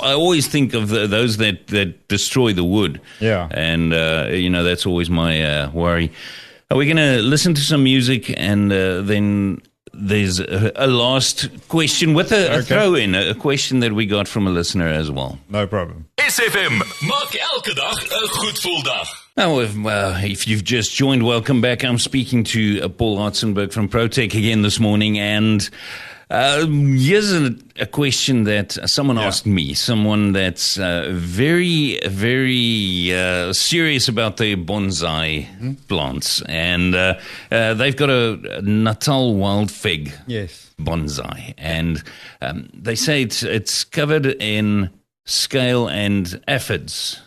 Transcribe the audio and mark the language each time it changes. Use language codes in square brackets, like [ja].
[en] I always think of those that destroy the wood. Yeah. And, that's always my worry. Are we going to listen to some music, and then there's a last question with a throw-in, a question that we got from a listener as well. No problem. [af] SFM, maak elke dag 'n goed voel dag. [en] Now, if you've just joined, welcome back. I'm speaking to Paul Hartzenberg from Protec again this morning, and here's a question that someone asked me, someone that's very, very serious about their bonsai plants, and they've got a Natal wild fig bonsai, and they say it's covered in scale and aphids.